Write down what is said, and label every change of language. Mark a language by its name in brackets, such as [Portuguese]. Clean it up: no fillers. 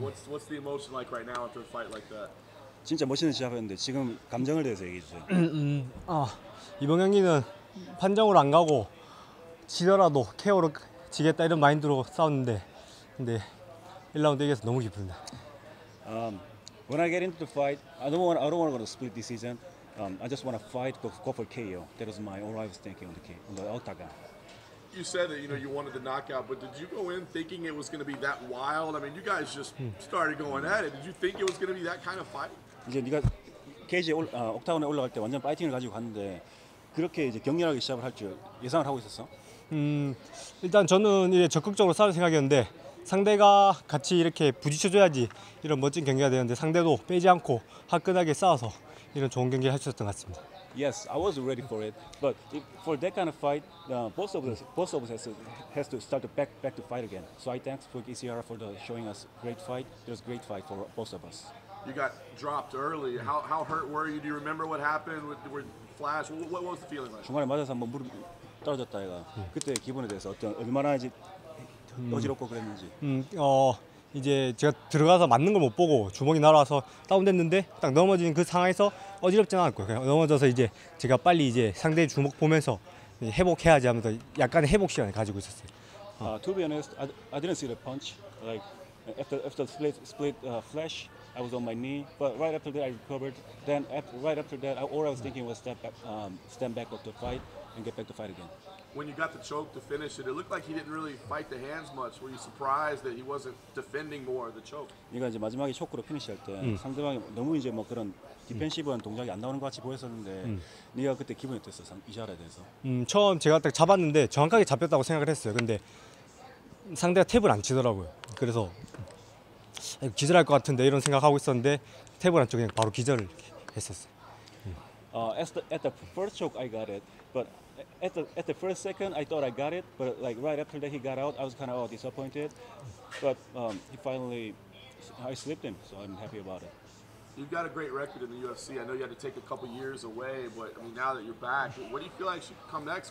[English] What's the emotion like right now after a fight like that? [Korean] 진짜 멋있는 시합이었는데 지금 감정을 대해서 얘기해 주세요. 아, 이번 경기는 판정으로 안 가고 지더라도 KO로 지겠다 이런 마인드로 싸웠는데 근데 1라운드 이겨서 너무 기쁩니다. [English] When I get into the fight, I don't want to go to split decision. I just want to fight, go for KO. That was my all I was thinking on the octagon. You said that you know you wanted the knockout, but did you go in thinking it was going to be that wild? I mean, you guys just started going at it. Did you think it was going to be that kind of fight? [Korean] 이제 네가 케이지 옥타곤에 올라갈 때 완전 파이팅을 가지고 갔는데 그렇게 이제 격렬하게 시합을 할 줄 예상을 하고 있었어? 일단 저는 이제 적극적으로 싸울 생각이었는데 상대가 같이 이렇게 부딪혀줘야지 이런 멋진 경기가 되는데 상대도 빼지 않고 화끈하게 싸워서 이런 좋은 경기를 할 수 있었던 것 같습니다. [English] Yes, I was ready for it. But for that kind of fight, both of us has to start to back to fight again. So I thanks for Ishihara for showing us great fight. It was a great fight for both of us. You got dropped early. How hurt were you? Do you remember what happened with Flash? What was the feeling like? [Korean] 중간에 맞아서 한번 무릎 떨어졌다 얘가. 그때 기분에 대해서 얼마나 이제 어지럽고 그랬는지. 이제 제가 들어가서 맞는 걸 못 보고 주먹이 날아와서 다운됐는데 딱 넘어진 그 상황에서 어지럽지 않았고요. 그냥 넘어져서 이제 제가 빨리 이제 상대의 주먹 보면서 회복해야지 하면서 약간의 회복 시간을 가지고 있었어요. [English] To be honest, I didn't see the punch. Like after the split flash, I was on my knee. But right after that, I recovered. Then all I was thinking was stand back of the fight and get back to fight again. When you got the choke to finish it, it looked like he didn't really fight the hands much. Were you surprised that he wasn't defending more the choke? [Korean] 얘가 이제 마지막에 초크로 피니시할 때 상대방이 너무 이제 뭐 그런 디펜시브한 동작이 안 나오는 것 같이 보였었는데 네가 그때 기분이 어땠어? 이샤라에 대해서. 처음 제가 딱 잡았는데 정확하게 잡혔다고 생각을 했어요. 근데 상대가 탭을 안 치더라고요. 그래서 기절할 것 같은데 이런 생각하고 있었는데 탭을 안 치고 그냥 바로 기절을 했었어요. [English] At the first choke I got it, but At the first second, I thought I got it, but like right after that he got out, I was kind of all disappointed. But I slipped him, so I'm happy about it. You've got a great record in the UFC. I know you had to take a couple years away, but I mean now that you're back, what do you feel like should come next?